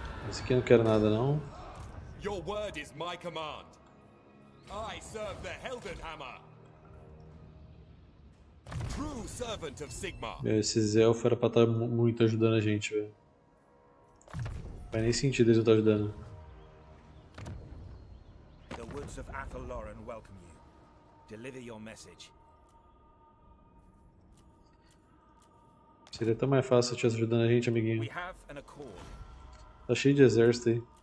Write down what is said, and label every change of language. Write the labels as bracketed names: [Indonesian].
[Portuguese] Esse aqui eu não quero nada, não. [English] Your word is my command. I serve the Heldenhammer. True servant of Sigma. [Portuguese] Esses elfos era pra estar muito ajudando a gente, velho. Não faz nem sentido eles não estar ajudando. [English] The woods of Athaloran welcome you. Deliver your message. [Portuguese] Seria tão mais fácil se eu estivesse ajudando a gente, amiguinho. [English] We have an accord. [Portuguese] Tá cheio de exército aí.